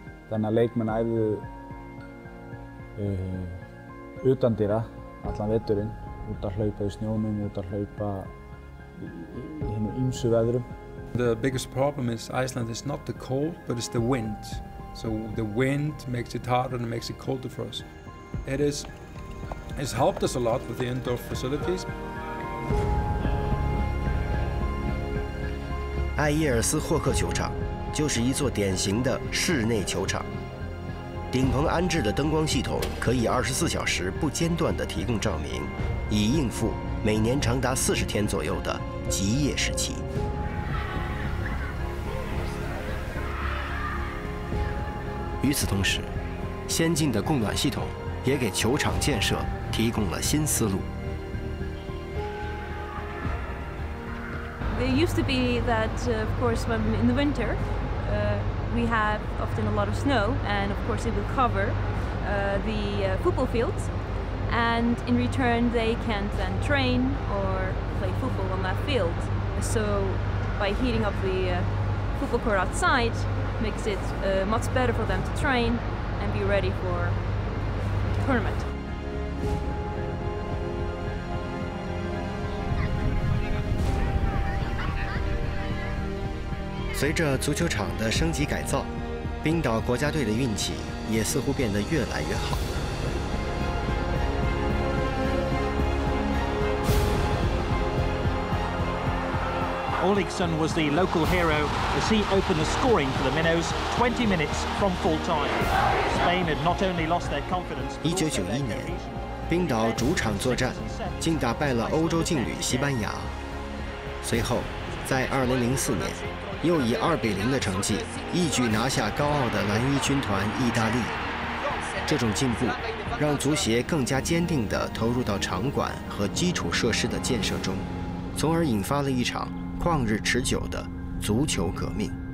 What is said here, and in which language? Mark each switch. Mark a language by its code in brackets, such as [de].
[is] Þannig að leikmenn æfðu utandyra allan veturinn, út að hlaupa í snjónum, út að hlaupa í hinum ýmsu veðrum. [en] The biggest problem is Iceland is not the cold, but it's the wind. So the wind makes it harder and makes it colder for us. It's helped us a lot with the indoor facilities. [zh] 艾耶尔斯霍克球场就是一座典型的室内球场，顶棚安置的灯光系统可以24小时不间断地提供照明，以应付每年长达40天左右的极夜时期。与此同时，先进的供暖系统也给球场建设提供了新思路。 [en] It used to be that, of course, when in the winter, we have often a lot of snow, and of course it will cover the football fields. And in return, they can then train or play football on that field. So by heating up the football court outside, makes it much better for them to train and be ready for the tournament. [zh] 随着足球场的升级改造，冰岛国家队的运气也似乎变得越来越好。 [en] Olegson was the local hero as he opened the scoring for the Minnows 20 minutes from full time. Spain had not only lost their confidence. [zh] 1991年，冰岛主场作战，竟打败了欧洲劲旅西班牙。随后，在2004年。又以2-0的成绩，一举拿下高傲的蓝衣军团意大利。这种进步，让足协更加坚定地投入到场馆和基础设施的建设中，从而引发了一场旷日持久的足球革命。